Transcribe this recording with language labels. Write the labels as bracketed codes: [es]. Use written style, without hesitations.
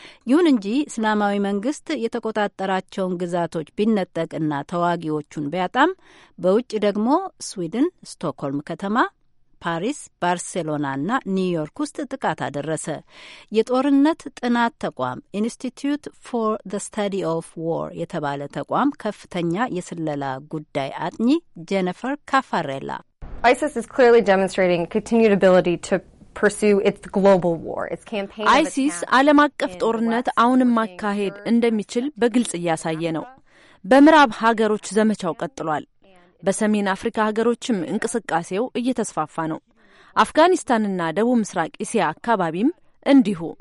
[am] ይሁን እንጂ እስላማዊ መንግስት የተቆጣጠራቸውን ግዛቶች ቢነጠቅና ተዋጊዎቹን ቢያጣም በውጭ ደግሞ ስዊድን፣ ስቶክሆልም ከተማ፣ ፓሪስ፣ ባርሴሎናና ኒውዮርክ ውስጥ ጥቃት አደረሰ። የጦርነት ጥናት ተቋም ኢንስቲትዩት ፎር ዘ ስታዲ ኦፍ ዋር የተባለ ተቋም ከፍተኛ የስለላ ጉዳይ አጥኚ ጄኒፈር ካፋሬላ [en] ISIS is clearly demonstrating continued ability to pursue its global war. Its campaign [am] ISIS ዓለም አቀፍ ጦርነት አሁንም ማካሄድ እንደሚችል በግልጽ ያሳየ ነው። በምዕራብ ሀገሮች ዘመቻው ቀጥሏል። በሰሜን አፍሪካ ሀገሮችም እንቅስቃሴው እየተስፋፋ ነው። አፍጋኒስታንና ደቡብ ምስራቅ እስያ አካባቢም እንዲሁ።